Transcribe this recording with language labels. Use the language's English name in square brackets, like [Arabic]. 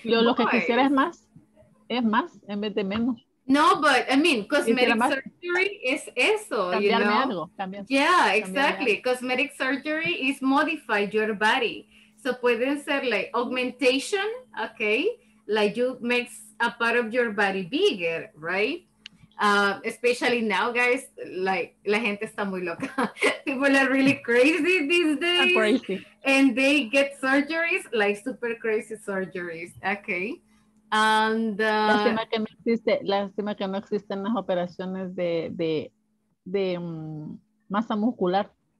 [Spanish] Yo lo que quisiera es más, en vez de menos. [English] No, but I mean, cosmetic surgery is eso, you know? [Spanish] Cambiarme algo, también. [English] Yeah, exactly. Cosmetic surgery is modify your body. So [Spanish] pueden ser [English] like augmentation, okay? Like you make a part of your body bigger, right? Especially now, guys, like, [Spanish] la gente está muy loca. [English] People are really crazy these days. I'm crazy. And they get surgeries, like super crazy surgeries, okay? And [Spanish] lástima que no existen las operaciones de masa muscular.